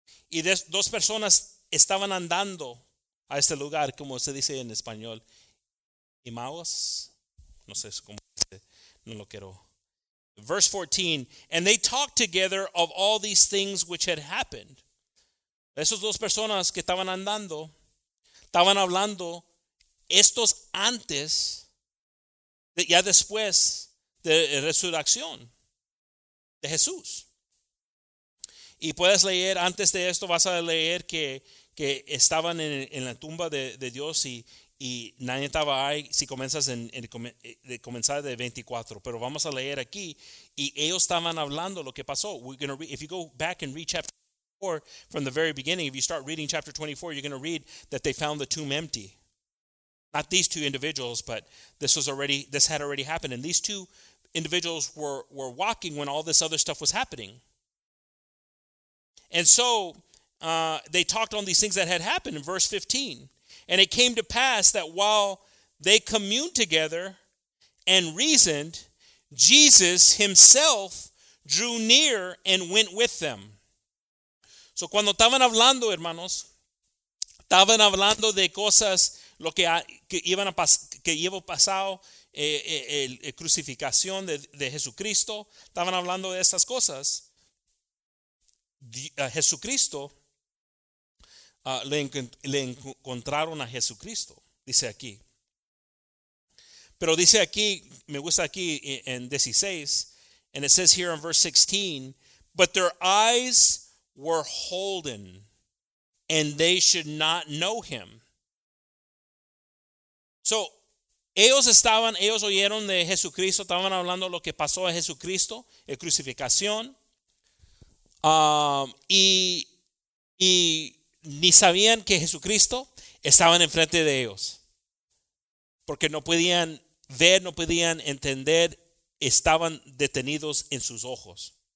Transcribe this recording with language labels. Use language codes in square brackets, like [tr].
[es] Y dos personas estaban andando a este lugar, como se dice en español, Emmaus. No sé cómo se dice, no lo quiero. [en] Verse 14, and they talked together of all these things which had happened. [es] Esos dos personas que estaban andando, estaban hablando, estos antes, ya después de resurrección de Jesús. Y puedes leer, antes de esto vas a leer que estaban en la tumba de Dios y nadie estaba ahí, si comienzas en comenzar de 24. Pero vamos a leer aquí, y ellos estaban hablando lo que pasó. [en] We're gonna if you go back and read chapter 24 from the very beginning, if you start reading chapter 24, you're going to read that they found the tomb empty. Not these two individuals, but this had already happened. And these two individuals were walking when all this other stuff was happening. And so they talked on these things that had happened in verse 15. And it came to pass that while they communed together and reasoned, Jesus himself drew near and went with them. [es] So cuando estaban hablando, hermanos, estaban hablando de cosas, lo que iba pasado, la crucificación de Jesucristo, estaban hablando de estas cosas. Jesucristo, le encontraron a Jesucristo, dice aquí. Pero dice aquí, me gusta aquí en 16, [en] and it says here in verse 16, but their eyes were holden, and they should not know him. [es] So, ellos oyeron de Jesucristo, estaban hablando lo que pasó a Jesucristo, la crucificación. Y ni sabían que Jesucristo estaba enfrente de ellos, porque no podían ver, no podían entender, estaban detenidos en sus ojos.